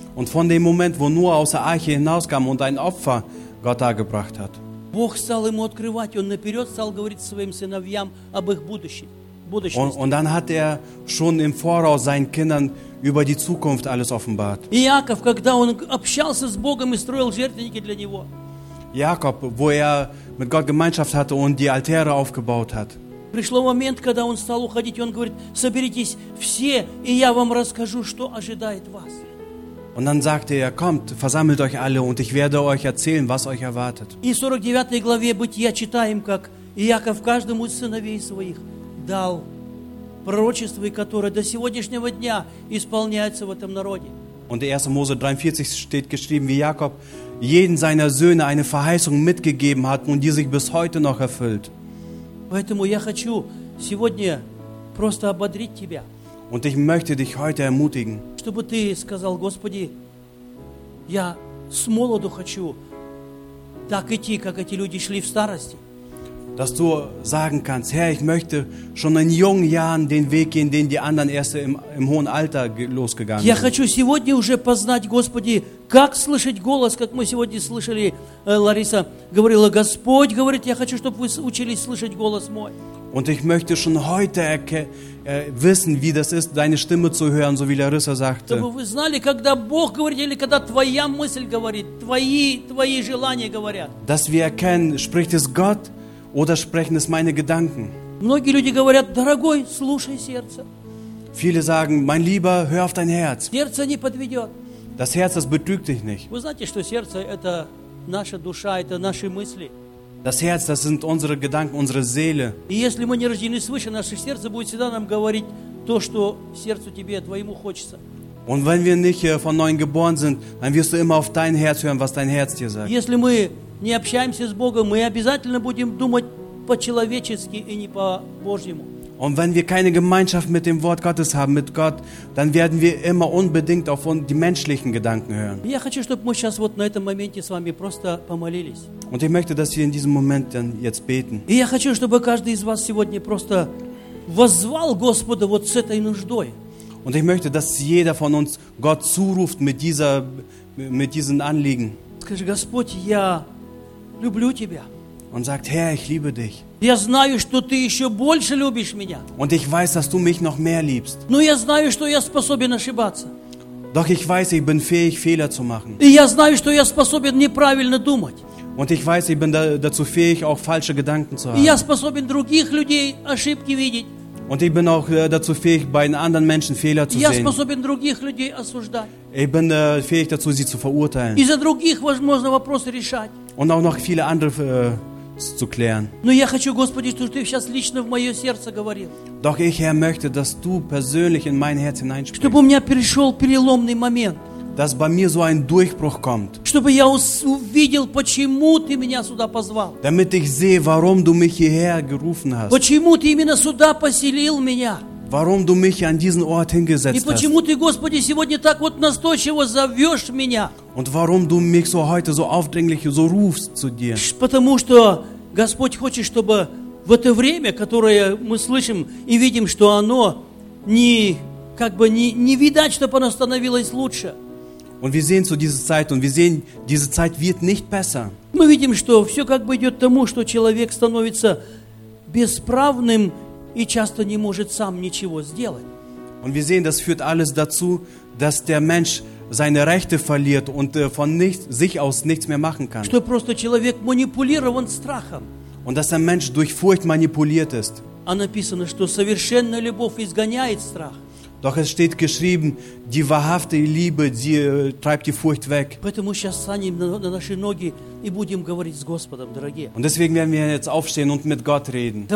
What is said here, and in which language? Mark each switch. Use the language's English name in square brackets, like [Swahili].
[German] Und von dem Moment, wo Noah aus der Arche hinauskam und ein Opfer Gott dargebracht hat. [Russian] Бог стал ему открывать, он наперед стал говорить своим сыновьям об их будущем. [German] Und dann hat er schon im Voraus seinen Kindern über die Zukunft alles offenbart. [Russian] Jakob, когда он общался с Богом и строил жертвенники для него. [German] Jakob, wo er mit Gott Gemeinschaft hatte und die Altäre aufgebaut hat. [Russian] Пришло момент, когда он стал уходить, и он говорит: Соберитесь все, и я вам расскажу, что ожидает вас. [German] Und dann sagte er: Kommt, versammelt euch alle, und ich werde euch erzählen, was euch erwartet. [Russian] И 49 главе Бытия читаем, как Иаков каждому из сыновей своих дал пророчество, которое до сегодняшнего дня исполняется в этом народе. [German] Und in 1. Mose 43 steht geschrieben, wie Jakob jeden seiner Söhne eine Verheißung mitgegeben hat und die sich bis heute noch erfüllt. [Russian] Поэтому я хочу сегодня просто ободрить тебя. [German] Und ich möchte dich heute ermutigen. [Russian] Чтобы ты сказал: Господи, я с молоду хочу так идти, как эти люди шли в старости. [German] Dass du sagen kannst: Herr, ich möchte schon in jungen Jahren den Weg gehen, den die anderen erst im hohen Alter losgegangen sind. [Russian] Я хочу сегодня уже познать, Господи, как слышать голос, как мы сегодня слышали, Лариса говорила: Господь говорит, я хочу, чтобы вы учились слышать голос мой. [German] Und ich möchte schon heute wissen, wie das ist, deine Stimme zu hören, so wie Larissa sagte. [Russian] Чтобы вы знали, когда Бог говорит или когда твоя мысль говорит, твои желания говорят. [German] Dass wir erkennen, spricht es Gott? Oder sprechen es meine Gedanken? [Russian] Многие люди говорят: Дорогой, слушай сердце. [German] Viele sagen: Mein Lieber, hör auf dein Herz. [Russian] Сердце не подведет. [German] Das Herz, das betrügt dich nicht. [Russian] Вы знаете, что сердце – это наша душа, это наши мысли. [German] Das Herz, das sind unsere Gedanken, unsere Seele. [Russian] И если мы не рождены свыше, наше сердце будет всегда нам говорить то, что сердцу тебе, твоему хочется. [German] Und wenn wir nicht von Neuem geboren sind, dann wirst du immer auf dein Herz hören, was dein Herz dir sagt. [Russian] Если мы не общаемся с Богом, мы обязательно будем думать по-человечески и не по-божьему. [German] Und wenn wir keine Gemeinschaft mit dem Wort Gottes haben, mit Gott, dann werden wir immer unbedingt auf die menschlichen Gedanken hören. [Russian] Я хочу, чтобы мы сейчас вот на этом моменте с вами просто помолились. [German] Und ich möchte, dass wir in diesem Moment dann jetzt beten. [Russian] И я хочу, чтобы каждый из вас сегодня просто воззвал Господа вот с этой нуждой. [German] Und ich möchte, dass jeder von uns Gott zuruft mit diesen Anliegen. [Russian] скажи, Господь, я люблю тебя. [German] Und sagt, Herr, ich liebe dich. [Russian] Я знаю, что ты еще больше любишь меня. [German] Und ich weiß, dass du mich noch mehr liebst. [Russian] Но я знаю, что я способен ошибаться. [German] Doch ich weiß, ich bin fähig, Fehler zu machen. [Russian] И я знаю, что я способен неправильно думать. [German] Und ich weiß, ich bin dazu fähig, auch falsche Gedanken zu haben. [Russian] И я способен других людей ошибки видеть. [German] Und ich bin auch dazu fähig, bei anderen Menschen Fehler zu [Russian] я [German] sehen. [Russian] Я способен других людей осуждать. [German] Ich bin fähig dazu, sie zu verurteilen. [Russian] И за других возможно вопросы решать. [German] Und auch noch viele andere zu klären. [Russian] Но я хочу, Господи, чтобы ты сейчас лично в мое сердце говорил. [German] Doch ich, Herr, möchte, dass du persönlich in mein Herz hineinsprichst. [Russian] Чтобы у меня перешел переломный момент. [German] Dass bei mir so ein Durchbruch kommt. [Russian] Чтобы я увидел, почему ты меня сюда позвал. [German] Damit ich sehe, warum du mich hierher gerufen hast. [Russian] Почему ты именно сюда поселил меня. [German] Warum du mich an diesen Ort hingesetzt hast. [Russian] И почему ты, Господи, сегодня так вот настойчиво зовешь меня. [German] Und warum du mich so heute so aufdringlich so rufst zu dir. [Russian] Потому что Господь хочет, чтобы в это время, которое мы слышим и видим, что оно не, как бы не видать, чтобы оно становилось лучше. [German] Und wir sehen so diese Zeit und wir sehen, diese Zeit wird nicht besser. [Russian] Мы видим, что все как бы идет к тому, что человек становится бесправным и часто не может сам ничего сделать. [German] Und wir sehen, das führt alles dazu, dass der Mensch seine Rechte verliert und von nicht, sich aus nichts mehr machen kann. [Russian] Что просто человек манипулирован страхом. [German] Und dass der Mensch durch Furcht manipuliert ist. [Russian] А написано, что совершенная любовь изгоняет страх. [German] Doch es steht geschrieben, die wahrhafte Liebe, sie treibt die Furcht weg. Und deswegen werden wir jetzt aufstehen und mit Gott reden.